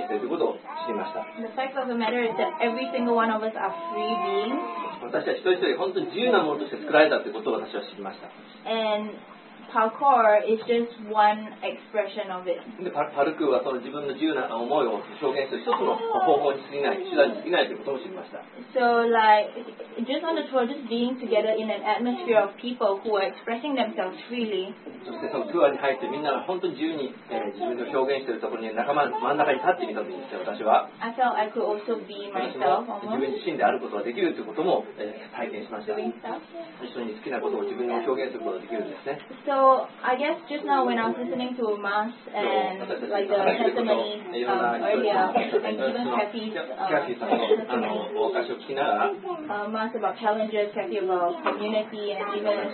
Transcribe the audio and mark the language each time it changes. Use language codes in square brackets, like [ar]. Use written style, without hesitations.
[en] The fact of the matter is that every single one of us are free beings. And parkour is just one expression of it. [ja] Parkour はその自分の自由な思いを表現する一つの方法に過ぎない、手段に過ぎないということを知りました。 [en] So like, just on the tour, just being together in an atmosphere of people who are expressing themselves freely. [ja] そしてそのツアーに入ってみんなが本当に自由に自分の表現しているところに仲間の真ん中に立ってみたんですよ、私は。 [en] I felt I could also be myself. [ja] 自分自身であることができるということも体験しました。一緒に好きなことを自分の表現することができるんですね。 [en] So I guess just now when I was listening to Mass and like the testimonies earlier, and even Kathy's Mass about challenges, Kathy about community and even